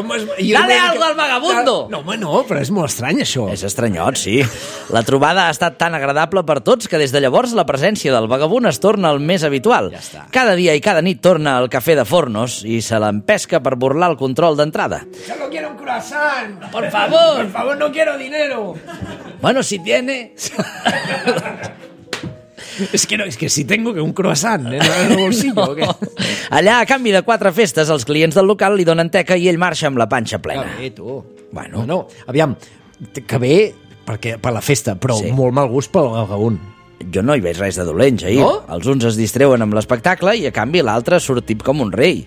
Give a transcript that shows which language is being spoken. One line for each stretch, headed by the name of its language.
Catalan: Ostres, home...
Spanish: Dale algo al vagabundo!
Catalan: No, home, no, però és molt estrany, això. És estranyot, sí. La trobada ha estat tan agradable per tots que des de llavors la presència del vagabund es torna el més habitual. Ja està. Cada dia i cada nit torna al Café de Fornos i se l'empesca per burlar el control d'entrada.
Spanish: Yo no quiero un croissant! Por favor. Por favor, no quiero dinero. Bueno, si tiene... Es que no, es que si tengo que un croissant, en el bolsillo, no. ¿Qué?
Catalan: Allà, a canvi de quatre festes, els clients del local li donen teca i ell marxa amb la panxa plena. Que bé, tu. Bueno. No, no, aviam, que bé perquè, per la festa, però sí. Molt mal gust pel vagabund. Jo no hi veig res de dolent, Jair. No? Els uns es distreuen amb l'espectacle i, a canvi, l'altre surt tip com un rei.